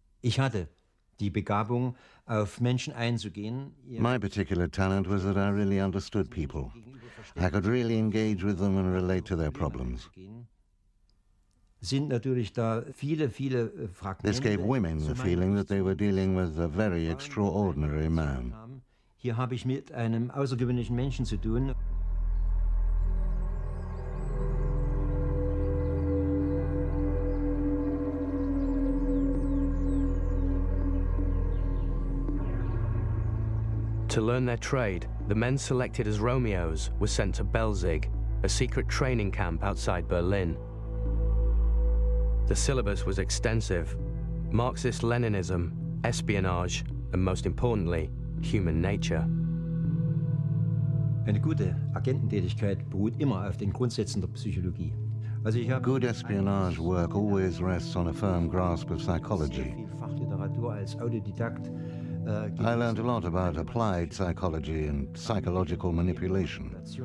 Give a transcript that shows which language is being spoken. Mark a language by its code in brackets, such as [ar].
[en] My particular talent was that I really understood people. I could really engage with them and relate to their problems. This gave women the feeling that they were dealing with a very extraordinary man. [de] Hier habe ich mit einem außergewöhnlichen Menschen zu tun. [en] To learn their trade, the men selected as Romeos were sent to Belzig, a secret training camp outside Berlin. The syllabus was extensive: Marxist-Leninism, espionage, and most importantly, human nature. [de] Eine gute Agententätigkeit beruht immer auf den Grundsätzen der Psychologie. [en] Good espionage work always rests on a firm grasp of psychology. I learned a lot about applied psychology and psychological manipulation.